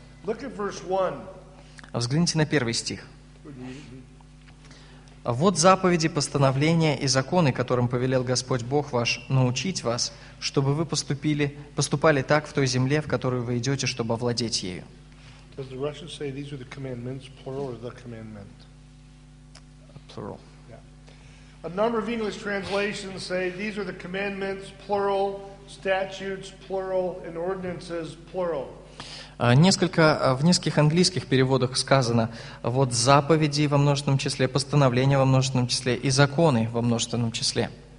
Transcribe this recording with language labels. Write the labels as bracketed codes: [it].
[en] Look at verse 1. [ru] Взгляните на первый стих. «Вот заповеди, постановления и законы, которым повелел Господь Бог ваш научить вас, чтобы вы поступали так в той земле, в которую вы идете, чтобы овладеть ею». [en] Does the Russians say these are the commandments, plural, or the commandment? Plural. Yeah. A number of English translations say these are the commandments, plural, statutes, plural, and ordinances, plural. [ru] В нескольких английских переводах сказано «вот заповеди во множественном числе, постановления во множественном числе и законы во множественном числе».